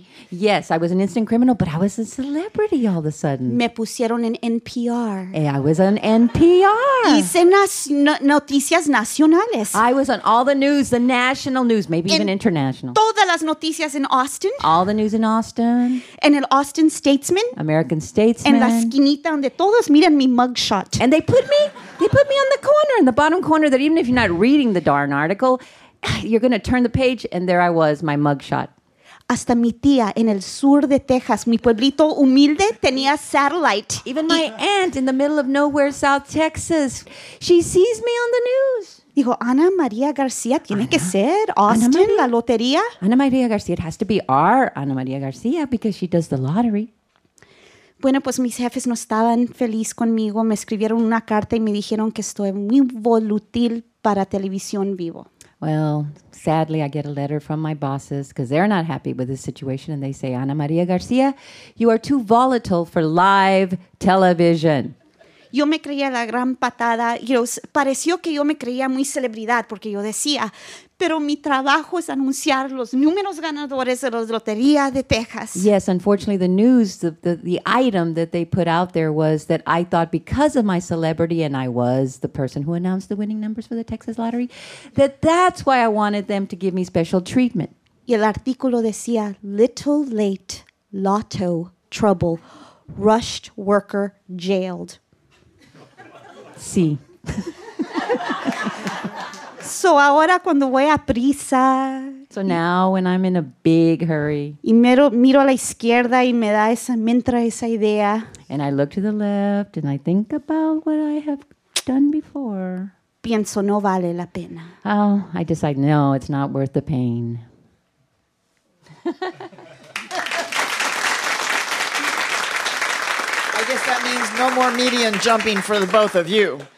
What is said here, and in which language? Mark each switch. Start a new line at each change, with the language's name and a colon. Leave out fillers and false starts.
English: Yes, I was an instant criminal, but I was a celebrity all of a sudden.
Spanish: Me pusieron en NPR.
English: And I was on NPR.
Spanish: Hice noticias nacionales.
English: I was on all the news, the national news, maybe even international.
Spanish: Todas las noticias en Austin.
English: All the news in Austin.
Spanish: En el Austin Statesman.
English: American Statesman.
Spanish: En la esquinita donde todos miran mi mugshot.
English: And they put me on the corner, in the bottom corner, that even if you're not reading the darn article, you're going to turn the page, and there I was, my mugshot.
Spanish: Hasta mi tía en el sur de Texas, mi pueblito humilde, tenía satellite.
English: Even my aunt in the middle of nowhere, South Texas, she sees me on the news.
Spanish: Dijo, Ana María García, tiene que ser Austin, la lotería.
English: Ana María García, it has to be our Ana María García because she does the lottery.
Spanish: Bueno, pues mis jefes no estaban feliz conmigo. Me escribieron una carta y me dijeron que estoy muy volútil para televisión vivo.
English: Well, sadly, I get a letter from my bosses because they're not happy with this situation. And they say, Ana María García, you are too volatile for live television.
Spanish: Yo me creía la gran patada. Pareció que yo me creía muy celebridad porque yo decía, pero mi trabajo es anunciar los números ganadores de la lotería de Texas.
English: Yes, unfortunately, the news, the item that they put out there was that I thought because of my celebrity and I was the person who announced the winning numbers for the Texas lottery, that's why I wanted them to give me special treatment.
Spanish: Y el artículo decía,
English: little late, lotto, trouble, rushed worker, jailed.
Spanish: Sí. So ahora cuando voy a prisa.
English: So now when I'm in a big hurry.
Spanish: Y miro a la izquierda y me entra esa idea.
English: And I look to the left and I think about what I have done before.
Spanish: Pienso no vale la pena.
English: Oh, I decide no, it's not worth the pain. I guess that means no more median jumping for the both of you.